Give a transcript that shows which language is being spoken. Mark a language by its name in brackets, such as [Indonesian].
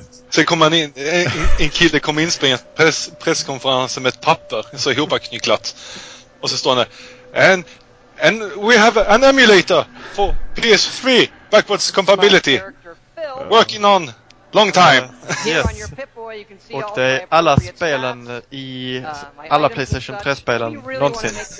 [Swedish] Sen kommer man in, en kille kommer inspringa presskonferensen med ett papper så ihopknycklat. Och så står han där. [English] And we have an emulator for PS3 backwards compatibility. Working on long time. Yes. [Swedish] Och det är alla spelen i alla PlayStation 3 spelen någonsin.